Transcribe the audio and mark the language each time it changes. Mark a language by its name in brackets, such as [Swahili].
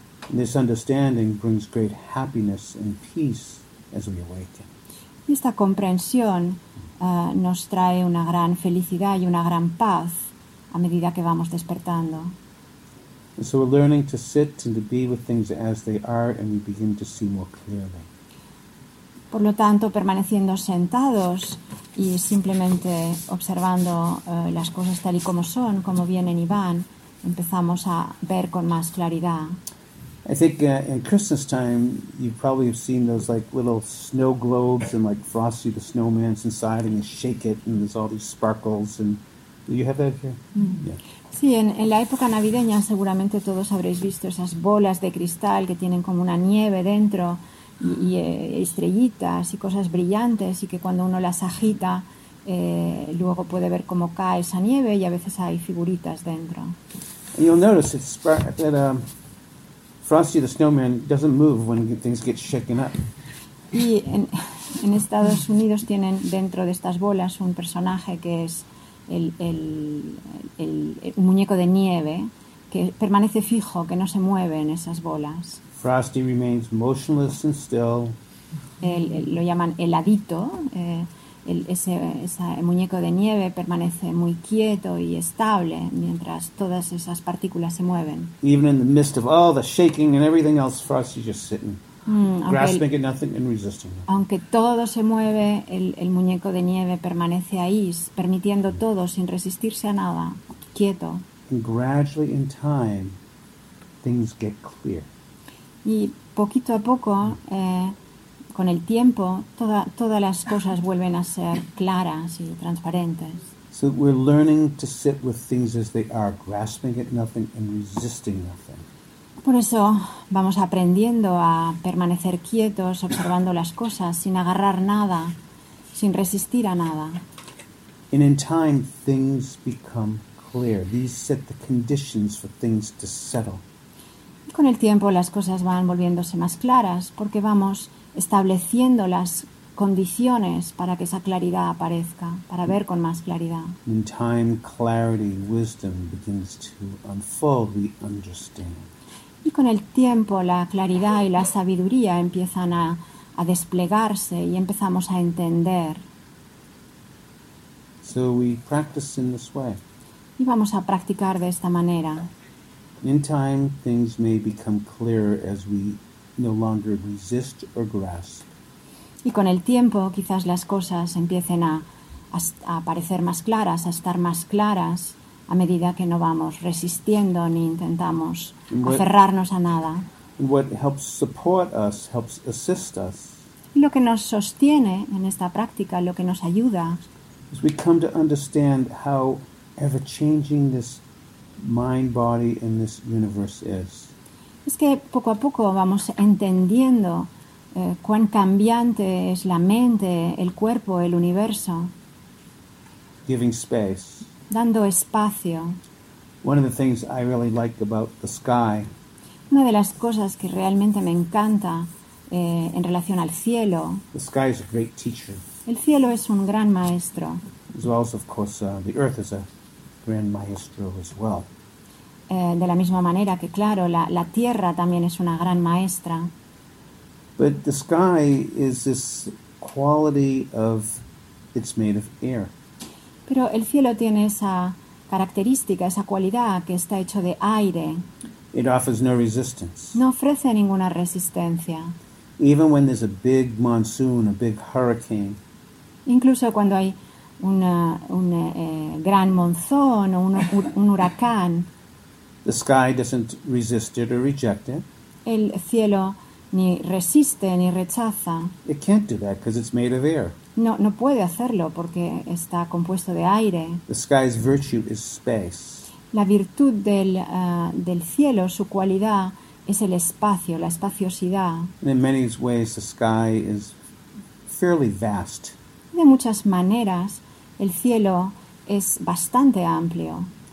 [English] And this understanding brings great happiness and peace as we awaken. [Spanish] Y esta comprensión nos trae una gran felicidad y una gran paz a medida que vamos despertando. [English] And so we're learning to sit and to be with things as they are, and we begin to see more clearly. [Spanish] Por lo tanto, permaneciendo sentados y simplemente observando las cosas tal y como son, como vienen y van, empezamos a ver con más claridad. [English] I think in Christmas time, you probably have seen those like little snow globes and like Frosty the Snowman's inside, and you shake it, and there's all these sparkles. And do you have that here? Mm-hmm. Yeah. [Spanish] Sí, en la época navideña seguramente todos habréis visto esas bolas de cristal que tienen como una nieve dentro y estrellitas y cosas brillantes y que cuando uno las agita luego puede ver cómo cae esa nieve y a veces hay figuritas dentro. [English] And you'll notice it's that Frosty the Snowman doesn't move when things get shaken up. [Spanish] Y en Estados Unidos tienen dentro de estas bolas un personaje que es el muñeco de nieve que permanece fijo, que no se mueve en esas bolas. [English] Frosty remains motionless and still. [Spanish] Lo llaman heladito. Ese muñeco de nieve permanece muy quieto y estable mientras todas esas partículas se mueven. [English] Even in the midst of all the shaking and everything else, Frosty's just sitting. Grasping at nothing and resisting. [Spanish] Aunque todo se mueve, el muñeco de nieve permanece ahí, permitiendo todo sin resistirse a nada, quieto. [English] And gradually in time, things get clear. [Spanish] Y poquito a poco, con el tiempo, todas las cosas vuelven a ser claras y transparentes. [English] So we're learning to sit with things as they are, grasping at nothing and resisting nothing. [Spanish] Por eso vamos aprendiendo a permanecer quietos, observando las cosas, sin agarrar nada, sin resistir a nada. [English] And in time, things become clear. These set the conditions for things to settle. [Spanish] Y con el tiempo las cosas van volviéndose más claras, porque vamos estableciendo las condiciones para que esa claridad aparezca, para ver con más claridad. [English] In time, clarity, wisdom begins to unfold, we understand. [Spanish] Y con el tiempo la claridad y la sabiduría empiezan a desplegarse y empezamos a entender. [English] So we practice in this way. [Spanish] Y vamos a practicar de esta manera. [English] In time, things may become clearer as we no longer resist or grasp. [Spanish] Y con el tiempo quizás las cosas empiecen a aparecer más claras, a estar más claras. A medida que no vamos resistiendo ni intentamos aferrarnos a nada. [English] What helps support us, helps assist us. [Spanish] Y lo que nos sostiene en esta práctica, lo que nos ayuda, [English] is we come to understand how ever-changing this mind, body, and this universe is. [Spanish] Es que poco a poco vamos entendiendo cuán cambiante es la mente, el cuerpo, el universo. [English] Giving space. [Spanish] Dando espacio. [English] One of the things I really like about the sky. [Spanish] Una de las cosas que realmente me encanta en relación al cielo. [English] The sky is a great teacher. [Spanish] El cielo es un gran maestro. [English] As well as, of course, the earth is a grand maestro as well. [Spanish] De la misma manera que, claro, la tierra también es una gran maestra. [English] But the sky is this quality of it's made of air. [Spanish] Pero el cielo tiene esa característica, esa cualidad que está hecho de aire. [English] It offers no resistance. [Spanish] No ofrece ninguna resistencia. [English] Even when there's a big monsoon, a big hurricane. [Spanish] Incluso cuando hay un gran monzón o un huracán. [English] The sky doesn't resist it or reject it. [Spanish] El cielo ni resiste ni rechaza. [English] It can't do that because it's made of air. [Spanish] No puede hacerlo porque está compuesto de aire. [English] The sky's virtue is space. [Spanish] La virtud del cielo, su cualidad, es el espacio, la espaciosidad. [English] And in many ways, the sky is fairly vast. [Spanish] De muchas maneras, el cielo es bastante amplio.